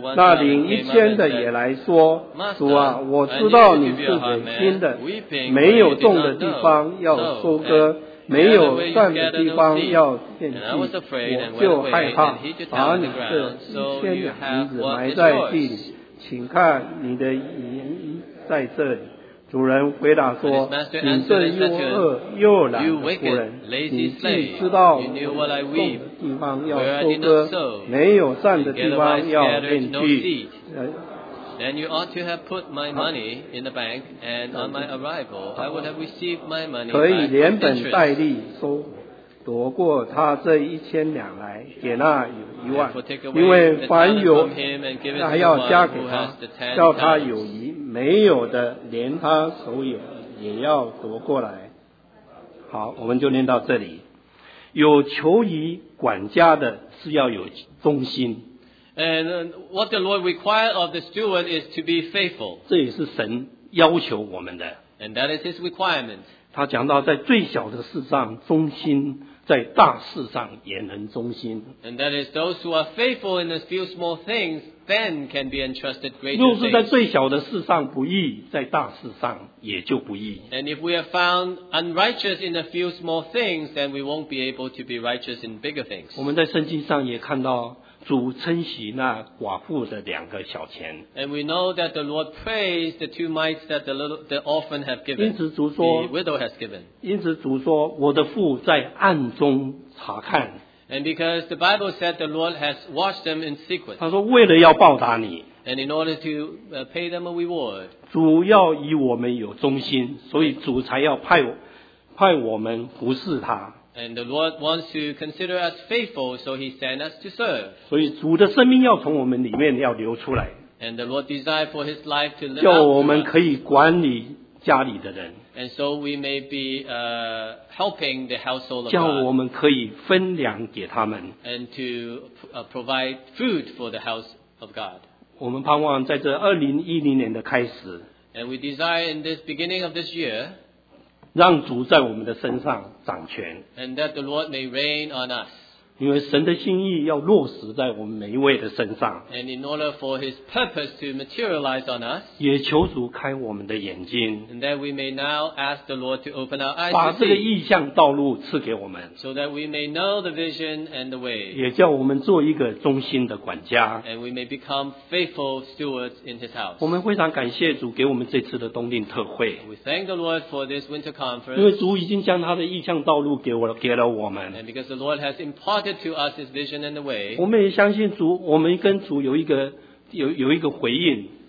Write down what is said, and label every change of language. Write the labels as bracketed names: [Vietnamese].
[Chinese] 那领一千的也来说，主啊，我知道你是忍心的，没有种的地方要收割，没有赚的地方要献祭，我就害怕，把你这一千两银子埋在地里，请看你的银在这里。主人回答说，你这又恶又懒的仆人，你既知道我种的地方要收割，没有占的地方要献祭， [English] Then you ought to have put my money in the bank, and on my arrival, I would have received my money. [Chinese] 可以连本带利收夺过他这一千两来，给那有一万，因为凡有他要加给他，叫他有余，没有的连他所有也要夺过来。好，我们就念到这里。有求于管家的是要有忠心。 [English] And what the Lord required of the steward is to be faithful. [Chinese] 这也是神要求我们的。 [English] And that is his requirement. [Chinese] 他讲到在最小的事上忠心，在大事上也能忠心。 [English] And that is those who are faithful in a few small things then can be entrusted greater [Chinese] things. 若是在最小的事上不义，在大事上也就不义。 [English] And if we are found unrighteous in a few small things, then we won't be able to be righteous in bigger things. [Chinese] 我们在圣经上也看到主称许那寡妇的两个小钱。 [English] And we know that the Lord praised the two mites that the orphan have given. [Chinese] 因此主说， [English] the widow has given. [Chinese] 因此主说，我的父在暗中查看。 [English] And because the Bible said the Lord has watched them in secret. [Chinese] 他说为了要报答你。 [English] And in order to pay them a reward. [Chinese] 主要以我们有忠心，所以主才要派我们服侍他。 [English] And the Lord wants to consider us faithful, so He sent us to serve. [Chinese] 所以主的生命要从我们里面要流出来。 [English] And the Lord desired for His life to live out. [Chinese] 叫我们可以管理家里的人。 [English] And so we may be helping the household of God. [Chinese] 叫我们可以分粮给他们。 [English] And to provide food for the house of God. [Chinese] 我们盼望在这2010年的开始。 [English] And we desire in this beginning of this year. [Chinese] 让主在我们的身上掌权。 [English] And that the Lord may reign on us. [Chinese] 因为神的心意要落实在我们每一位的身上。 [English] And in order for His purpose to materialize on us. [Chinese] 也求主开我们的眼睛。 [English] And that we may now ask the Lord to open our eyes. [Chinese] 把这个意向道路赐给我们。 [English] So that we may know the vision and the way. [Chinese] 也叫我们做一个忠心的管家。 [English] And we may become faithful stewards in His house. [Chinese] 我们非常感谢主给我们这次的冬令特会。 [English] We thank the Lord for this winter conference. [Chinese] 因为主已经将他的意向道路给了我们。 [English] And because the Lord has imparted to us His vision and the way. [Chinese] 我们也相信主，我们跟主有一个回应。